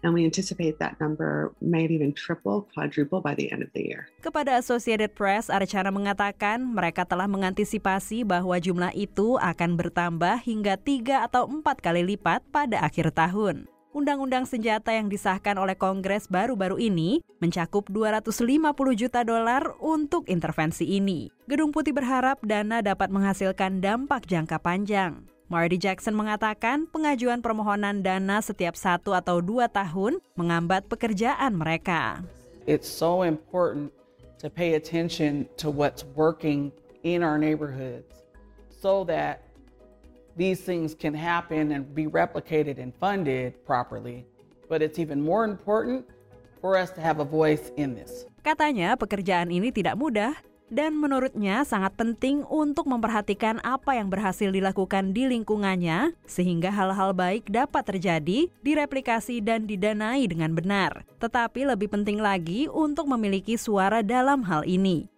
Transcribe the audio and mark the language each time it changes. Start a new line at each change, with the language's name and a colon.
English: And we anticipate that number may even triple, quadruple by the end of the year.
Indonesian: Kepada Associated Press, Archana mengatakan mereka telah mengantisipasi bahwa jumlah itu akan bertambah hingga 3 atau 4 kali lipat pada akhir tahun. Undang-undang senjata yang disahkan oleh Kongres baru-baru ini mencakup $250 juta untuk intervensi ini. Gedung Putih berharap dana dapat menghasilkan dampak jangka panjang. Marty Jackson mengatakan pengajuan permohonan dana setiap 1 atau 2 tahun mengambat pekerjaan mereka.
English: It's so important to pay attention to what's working in our neighborhoods so that these things can happen and be replicated and funded properly, but it's even more important for us to have a voice in this.
Indonesian: Katanya pekerjaan ini tidak mudah, dan menurutnya sangat penting untuk memperhatikan apa yang berhasil dilakukan di lingkungannya, sehingga hal-hal baik dapat terjadi, direplikasi, dan didanai dengan benar. Tetapi lebih penting lagi untuk memiliki suara dalam hal ini.